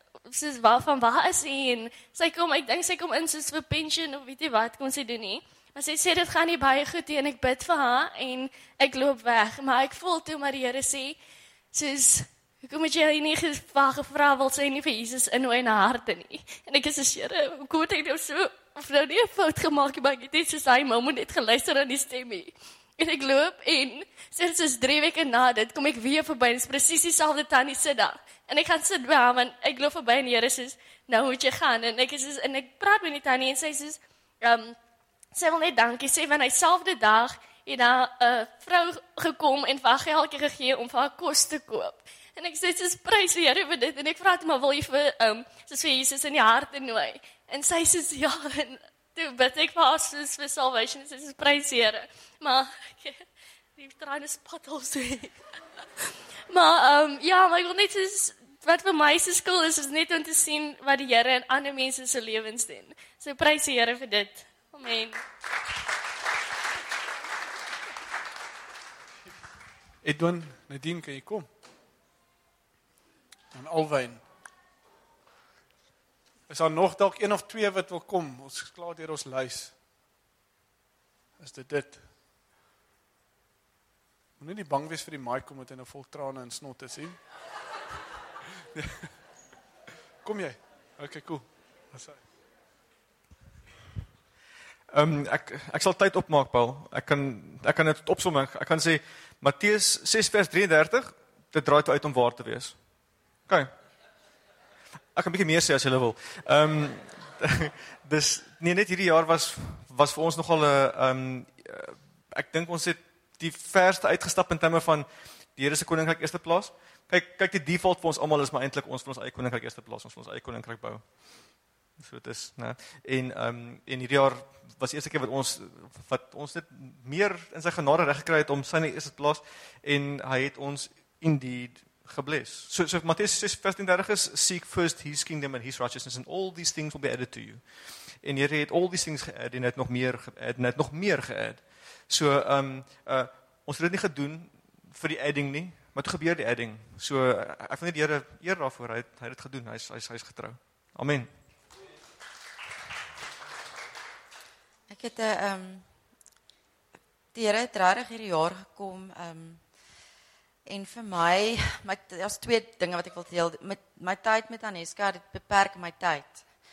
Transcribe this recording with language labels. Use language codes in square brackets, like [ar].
[af] soos waarvan waar is hy, en sy kom, ek dink sy kom in soos vir pension, of weet jy wat, kom sy doen nie, maar sy sê, dit gaan nie baie goed nie, en ek bid vir haar, en ek loop weg, maar ek voel toe, maar die Here sê, soos, hoekom het jy hier nie gevra, wil sy nie vir Jesus inhoe in haar harte nie, en ek is so, Here, hoe kom ek nou so, of nou nie fout gemaakt, maar ek het net soos hy, maar moet net geluister aan die stemmie. En ek loop, en sinds soos 3 weke na dit, kom ek weer voorbij, en is precies diezelfde tannie sit daar. En ek gaan sit by haar, want ek loop voorbij, en die Here soos, nou moet jy gaan, en ek praat met die tannie, en sy soos, sy wil net dankie sê, want diezelfde dag, het daar een vrou gekom, en vir haar geldjie gegee, om vir haar kos te koop. En ek sê, soos, prys die Here vir dit, en ek vraag maar, wil jy vir, soos vir Jesus in die hart nooi? En sy soos, ja, en toe bid ek vir haar soos vir salvation, en sy soos, prys die Here. Maar, die traan is pat al sê. Maar, ek wil net soos, wat vir my se skool is, is net om te sien wat die Here in ander mense se lewens doen. So prys die Here vir dit. Amen. Edwin, Nadine, kan jy kom? En Alwyn. Is daar nog dalk een of twee wat wil kom? Ons is klaar deur ons lys. Is dit dit? Moenie nie bang wees vir die mic omdat hy nou vol trane en snot is, hè? Kom jy? OK, cool. Ek sal tyd opmaak, Paul. Ek kan dit opsom. Ek kan sê Matteus 6 vers 33, dit draai toe uit om waar te wees. OK. Ek kan 'n bietjie meer sê as jy wil. Dis nee, net hierdie jaar was vir ons nogal 'n ek dink ons het die verste uitgestap in terme van die Here se koninkryk eerste plaas. Kyk die default vir ons almal is maar eintlik ons vir ons eie koninkryk eerste plaas, ons vir ons eie koninkryk bou. So dit is, né? En hierdie jaar was die eerste keer wat ons net meer in sy genade reg gekry het om sy eerste plaas en hy het ons indeed gebless. [en] So Matteus 6:30 is seek first his kingdom and his righteousness and all these things will be added to you. [af] En hierdie het al die things geadd en het nog meer geadd. So ons het dit nie gedoen vir die adding nie, maar toe gebeur die adding. So ek vind die Here eer daarvoor, hy het dit gedoen, hy is getrou. Amen. Ek het die Here het regtig hierdie jaar gekom en vir my daar's twee dinge wat ek wil deel met my tyd met Aneska, dit beperk my tyd.